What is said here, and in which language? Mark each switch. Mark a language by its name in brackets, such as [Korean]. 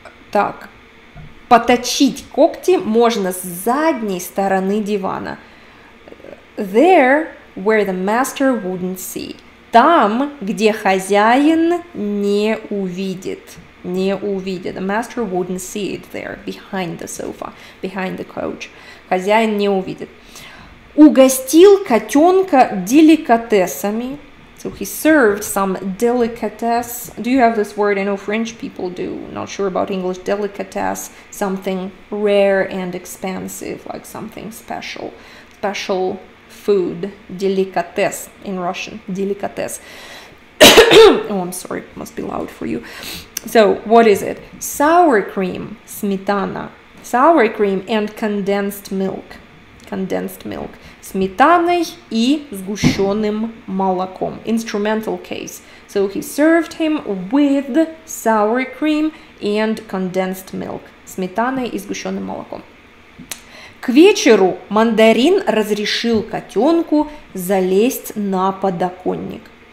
[Russian] Так, поточить когти можно с задней стороны дивана. [English] There, where the master wouldn't see. [Russian] Там, где хозяин не увидит. Не увидит. [English] The master wouldn't see it there, behind the sofa, behind the couch. [Russian] Хозяин не увидит. Угостил котенка деликатесами. [English] So he served some delicatesse. Do you have this word? I know French people do. Not sure about English. Delicatesse. Something rare and expensive, like something special. Special food, delicatess in Russian, delicatess. Oh, I'm sorry, must be loud for you. So, what is it? Sour cream, smetana. Sour cream and condensed milk. Condensed milk. [Russian] Сметаной и сгущенным молоком. [English] Instrumental case. So, he served him with sour cream and condensed milk. [Russian] Сметаной и сгущенным молоком. К вечеру мандарин разрешил котенку залезть на подоконник.